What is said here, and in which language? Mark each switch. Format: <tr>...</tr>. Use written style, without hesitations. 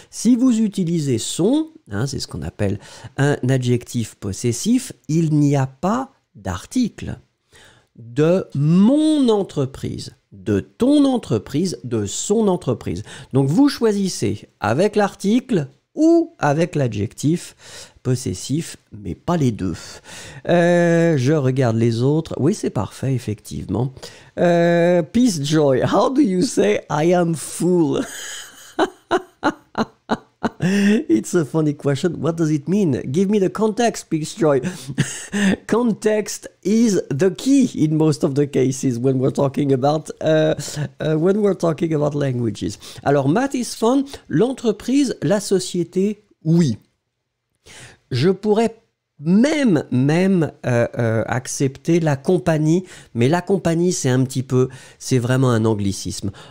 <fr>Si vous utilisez son, hein, c'est ce qu'on appelle un adjectif possessif, il n'y a pas d'article. De mon entreprise, de ton entreprise, de son entreprise. Donc vous choisissez avec l'article ou avec l'adjectif possessif, mais pas les deux. Je regarde les autres. Oui, c'est parfait, effectivement.</fr> <en>Peace Joy, how do you say I am full? It's a funny question. What does it mean? Give me the context, Peace Joy. Context is the key in most of the cases when we're talking about when we're talking about languages.</en> <fr>Alors, Matt is fun. L'entreprise, la société, oui. Je pourrais même accepter la compagnie, mais la compagnie, c'est un petit peu, c'est vraiment un anglicisme.</fr>